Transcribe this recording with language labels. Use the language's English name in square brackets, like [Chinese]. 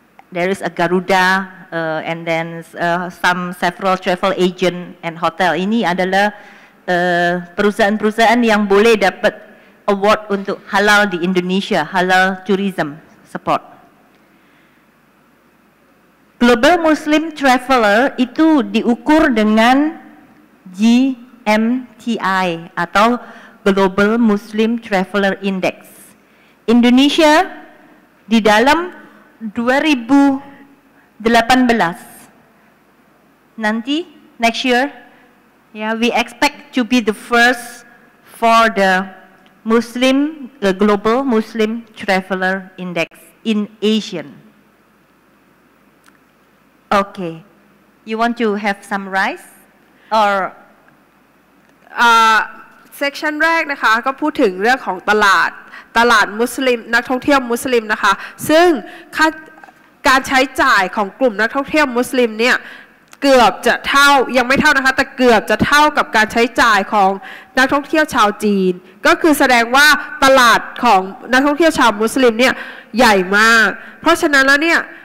[English] There is a Garuda and then several travel agent and hotel. [Indonesian] Ini adalah perusahaan-perusahaan yang boleh dapat award untuk halal di Indonesia, [English] halal tourism support. [Indonesian] Global Muslim Traveler itu diukur dengan GMTI atau Global Muslim Traveler Index. [English] Indonesia [Indonesian] di dalam 2018, nanti [English] next year, yeah, we expect to be the first for the Muslim, the Global Muslim Traveler Index in Asia. Okay, you want to have some rice or [Thai] section แรกนะคะก็พูดถึงเรื่องของตลาดมุสลิมนักท่องเที่ยวมุสลิมนะคะซึ่งการใช้จ่ายของกลุ่มนักท่องเที่ยวมุสลิมเนี่ยเกือบจะเท่ายังไม่เท่านะคะแต่เกือบจะเท่ากับการใช้จ่ายของนักท่องเที่ยวชาวจีนก็คือแสดงว่าตลาดของนักท่องเที่ยวชาวมุสลิมเนี่ยใหญ่มากเพราะฉะนั้นแล้วเนี่ย